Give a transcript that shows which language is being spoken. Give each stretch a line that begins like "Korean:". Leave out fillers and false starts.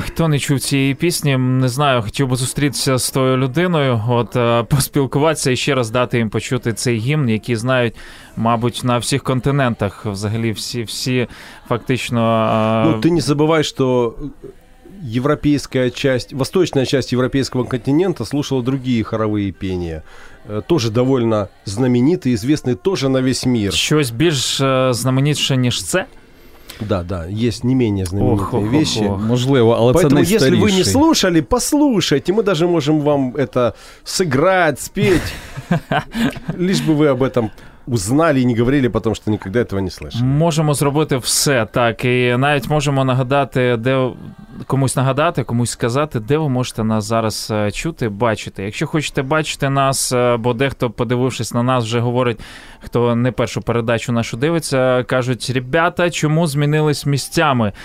Ukrainian: Хто не чув цієї пісні, не знаю, хотів би зустрітися з тою людиною, от поспілкуватися і ще раз дати їм почути цей гімн, який знають, мабуть, на всіх континентах, взагалі всі фактично... Ну, ти не забувай, що європейська часть, восточна часть європейського континенту слухала другі хорові пісні.
Russian: Тоже довольно знаменитый, известный тоже на весь мир.
Ukrainian: Щось більш знаменитше, ніж це?
Russian: Да, да, есть не менее знаменитые вещи.
Ukrainian: Можливо, але
Russian: поэтому,
Ukrainian: це найстаріший.
Russian: Поэтому, если вы не слушали, послушайте. Мы даже можем вам это сыграть, спеть. Лишь бы вы об этом узнали и не говорили, потому что никогда этого не слышали.
Ukrainian: Можемо зробити все, так. І навіть можемо нагадати, де... комусь нагадати, комусь сказати, де ви можете нас зараз чути, бачити. Якщо хочете бачити нас, бо дехто, подивившись на нас, вже говорить, хто не першу передачу нашу дивиться, кажуть, ребята, чому змінились місцями?